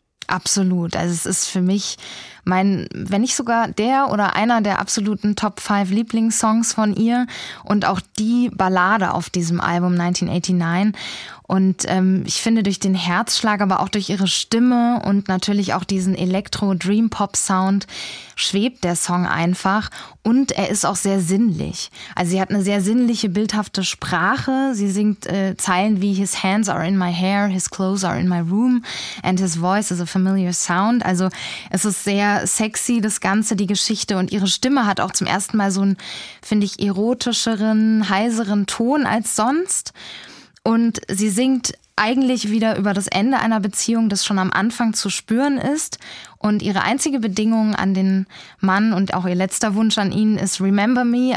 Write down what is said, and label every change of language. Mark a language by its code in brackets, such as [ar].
[de] Absolut, also es ist für mich mein, wenn nicht sogar der oder einer der absoluten Top 5 Lieblingssongs von ihr und auch die Ballade auf diesem Album 1989. Und ich finde durch den Herzschlag, aber auch durch ihre Stimme und natürlich auch diesen Elektro-Dream-Pop-Sound schwebt der Song einfach und er ist auch sehr sinnlich. Also sie hat eine sehr sinnliche, bildhafte Sprache. Sie singt Zeilen wie [en] His hands are in my hair, his clothes are in my room and his voice is a familiar sound. [de] Also es ist sehr sexy, das Ganze, die Geschichte. Und ihre Stimme hat auch zum ersten Mal so einen, finde ich, erotischeren, heiseren Ton als sonst. Und sie singt eigentlich wieder über das Ende einer Beziehung, das schon am Anfang zu spüren ist. Und ihre einzige Bedingung an den Mann und auch ihr letzter Wunsch an ihn ist Remember Me.